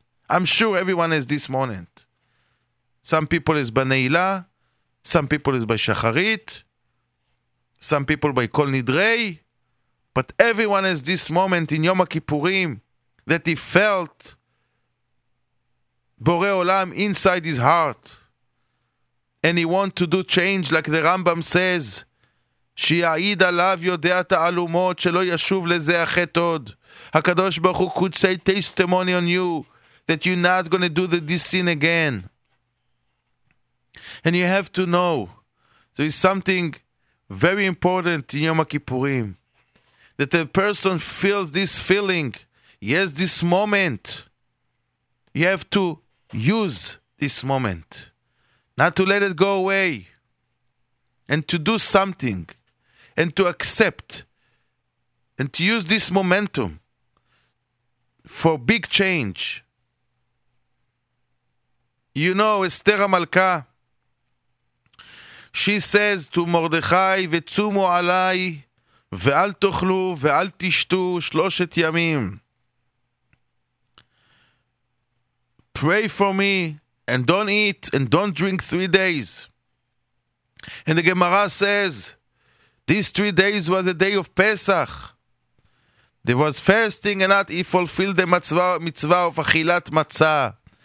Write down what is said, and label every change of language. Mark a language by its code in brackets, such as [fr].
[en] I'm sure everyone has this moment. Some people is Baneila. Some people is by Shacharit. Some people by Kol Nidrei. But everyone has this moment in Yom HaKippurim that he felt Borei Olam inside his heart. And he wants to do change, like the Rambam says, [he] שיעיד עליו יודע את העלומות שלא ישוב לזה החטא עוד. הקדוש ברוך הוא [en] could say testimony on you that you're not going to do this sin again. And you have to know there is something very important in Yom HaKippurim, that a person feels this feeling. Yes, this moment. You have to use this moment. Not to let it go away. And to do something. And to accept. And to use this momentum for big change. You know, Esther HaMalkah, she says to Mordechai, [he] וצומו עליי, ואל תאכלו, ואל תשתו, שלושת ימים. [en] Pray for me, and don't eat, and don't drink 3 days. And the Gemara says, these 3 days were the day of Pesach. There was fasting, and not he fulfilled the mitzvah of achilat matzah.